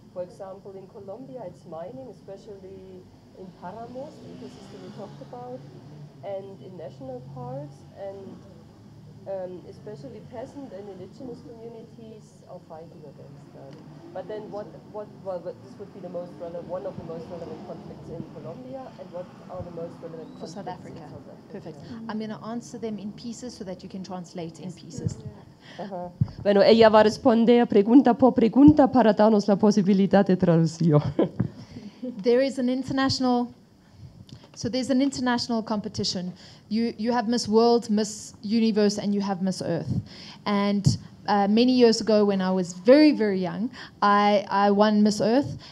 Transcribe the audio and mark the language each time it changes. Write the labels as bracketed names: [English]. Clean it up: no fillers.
[English] For example, in Colombia, it's mining, especially in Paramos, the ecosystem we talked about, and in national parks, and especially peasant and indigenous communities are fighting against that. But then this would be the most relevant, one of the most relevant conflicts in Colombia, and what are the most relevant conflicts for South Africa? Perfect. Mm-hmm. I'm going to answer them in pieces so that you can translate in pieces. Uh-huh. [Spanish] Bueno, ella va a responder pregunta por pregunta para darnos la posibilidad de traducir. [English] There is an international, so there's an international competition. You have Miss World, Miss Universe, and you have Miss Earth. And many years ago when I was very, very young, I won Miss Earth.